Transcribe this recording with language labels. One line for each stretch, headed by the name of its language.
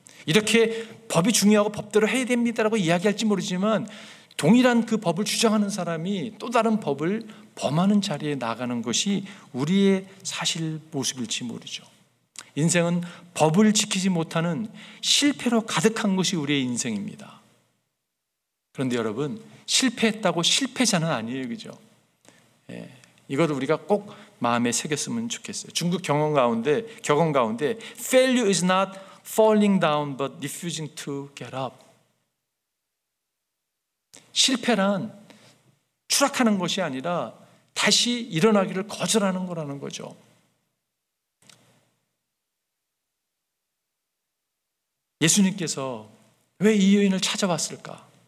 Korean: 이렇게 법이 중요하고 법대로 해야 됩니다라고 이야기할지 모르지만, 동일한 그 법을 주장하는 사람이 또 다른 법을 범하는 자리에 나가는 것이 우리의 사실 모습일지 모르죠. 인생은 법을 지키지 못하는 실패로 가득한 것이 우리의 인생입니다. 그런데 여러분, 실패했다고 실패자는 아니에요, 그죠? 예, 이것도 우리가 꼭 마음에 새겼으면 좋겠어요. 중국 격언 가운데
English: Failure is not falling down but refusing to get up.
Korean: 실패란 추락하는 것이 아니라 다시 일어나기를 거절하는 거라는 거죠. 예수님께서 왜 이 여인을 찾아왔을까?